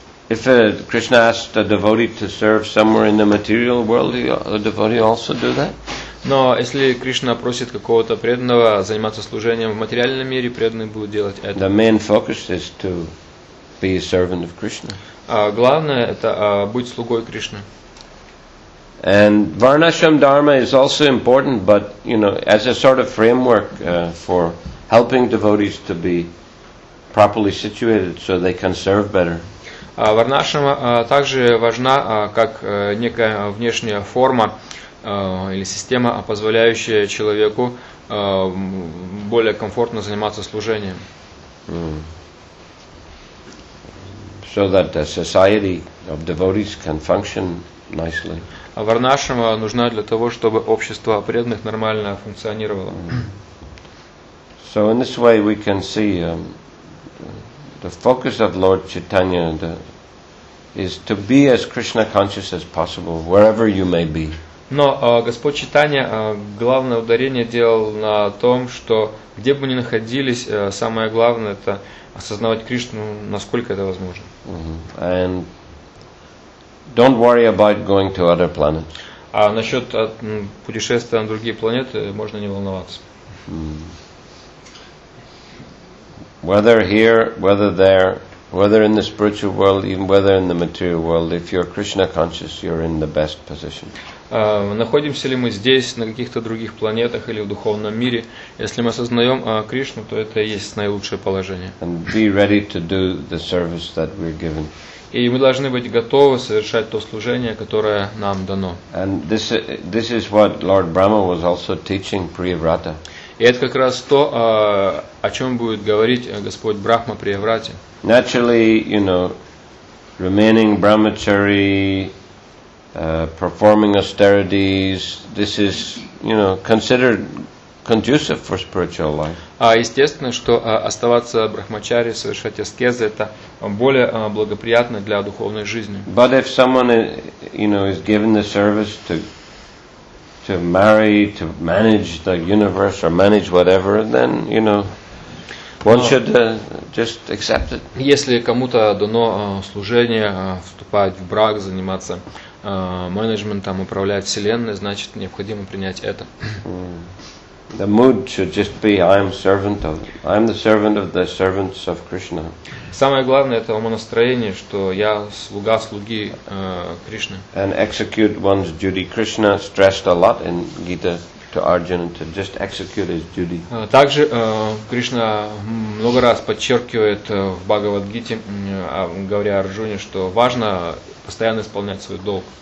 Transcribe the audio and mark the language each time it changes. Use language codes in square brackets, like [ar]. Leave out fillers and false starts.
[en] If Krishna asks a devotee to serve somewhere in the material world, the devotee also do that? [ru] Но если Кришна просит какого-то преданного заниматься служением в материальном мире, преданный будет делать это. [en] The main focus is to be a servant of Krishna. [ru] Главное это быть слугой Кришны. [en] And Varnashram Dharma is also important, but as a sort of framework for helping devotees to be properly situated so they can serve better. [ru] Варнашрама также важна как некая внешняя форма или система, позволяющая человеку более комфортно заниматься служением. [en] So that the society of devotees can function nicely. [ru] Варнашрама нужна для того, чтобы общество преданных нормально функционировало. [en] So in this way we can see the focus of Lord Chaitanya is to be as Krishna conscious as possible wherever you may be. [ru] Но Господь Чайтанья главное ударение делал на том, что где бы ни находились, самое главное это осознавать Кришну, насколько это возможно. [en] And don't worry about going to other planets. [ru] А насчет путешествия на другие планеты можно не волноваться. [en] Whether here, whether there, whether in the spiritual world, even whether in the material world, if you're Krishna conscious, you're in the best position. [ru] Находимся ли мы здесь, на каких-то других планетах или в духовном мире, если мы осознаем Кришну, то это и есть наилучшее положение. [en] And be ready to do the service that we're given. [ru] И мы должны быть готовы совершать то служение, которое нам дано. [en] And this is what Lord Brahma was also teaching Priyavrata. [ru] И это как раз то, о чем будет говорить Господь Брахма Приеврате. [en] Naturally, you know, remaining brahmachari, performing austerities, this is, you know, considered conducive for spiritual life. [ru] Естественно, что оставаться брахмачари, совершать аскезы, это более благоприятно для духовной жизни. [en] But if someone, you know, is given the service to marry, to manage the universe or manage whatever, then, you know, one should just accept it. [ru] Если кому-то дано служение, вступать в брак, заниматься менеджментом, управлять вселенной, значит, необходимо принять это. [en] The mood should just be I'm the servant of the servants of Krishna. [ru] Самое главное это умонастроение, что я слуга слуги Кришны. [en] And execute one's duty. Krishna stressed a lot in Gita to Arjuna to just execute his duty. [ru] Также Кришна много раз подчеркивает в Бхагавад-гите, говоря Арджуне, что важно постоянно исполнять свой долг.